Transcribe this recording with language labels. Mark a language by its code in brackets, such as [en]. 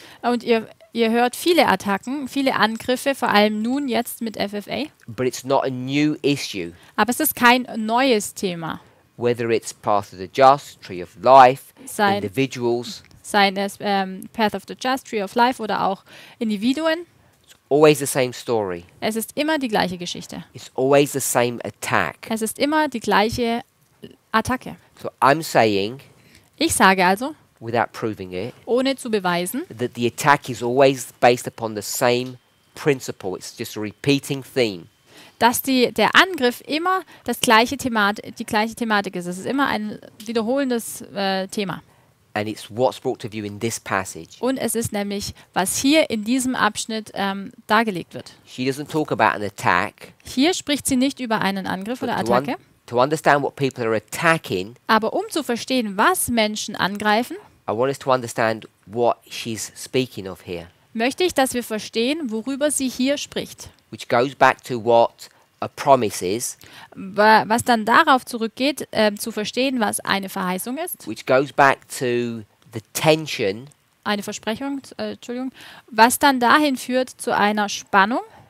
[de] Und ihr hört viele Attacken, viele Angriffe, vor allem nun jetzt mit FFA. [en] But it's not a new issue. [de] Aber es ist kein neues Thema. [en] Whether it's Path of the Just, Tree of Life, individuals. [de] Seien es Path of the Just, Tree of Life oder auch Individuen. [en] It's always the same story. [de] Es ist immer die gleiche Geschichte. [en] It's always the same attack. [de] Es ist immer die gleiche Attacke. [en] So I'm saying, [de] ich sage also, [en] without proving it, [de] ohne zu beweisen, [en] that the attack is always based upon the same principle. It's just a repeating theme. [de] Dass der Angriff immer die gleiche Thematik ist. Es ist immer ein wiederholendes Thema. [en] And it's what's brought to view in this passage. [de] Und es ist nämlich, was hier in diesem Abschnitt dargelegt wird. [en] She doesn't talk about an attack. [de] Hier spricht sie nicht über einen Angriff oder Attacke. [en] To understand what people are attacking, [de] aber um zu verstehen, was Menschen angreifen, [en] I want us to understand what she's speaking of here. [de] Möchte ich, dass wir verstehen, worüber sie hier spricht. [en] Which goes back to what a promise is, [de] was dann darauf zurückgeht, zu verstehen, was eine Verheißung ist. [en] Which goes back to the tension, [de] eine Versprechung, Entschuldigung, was dann dahin führt zu einer Spannung